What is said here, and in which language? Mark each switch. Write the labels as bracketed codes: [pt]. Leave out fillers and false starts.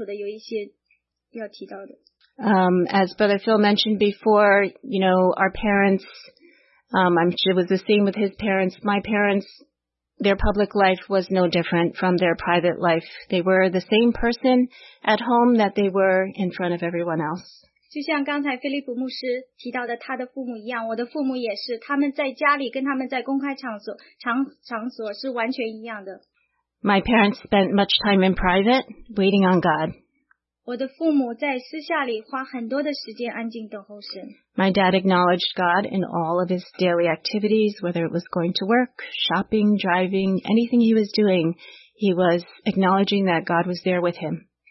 [zh] 所以刚才是我提到的一些关于他的事工的几个方面，那现在我想要提到的，在我的记忆中跟他相处的有一些要提到的。 [en] As Brother Phil mentioned before, you know, our parents, it was the same with his parents. My parents, their public life was no different from their private life. They were the same person at home that they were in front of everyone else. [zh] 就像刚才菲利普牧师提到的，他的父母一样，我的父母也是，他们在家里跟他们在公开场所是完全一样的。 [en] My parents spent much time in private, waiting on God. [zh] 我的父母在私下里花很多的时间安静等候神。 [en] My dad acknowledged God in all of his daily activities, whether it was going to work, shopping, driving, anything he was doing, he was acknowledging that God was there with him.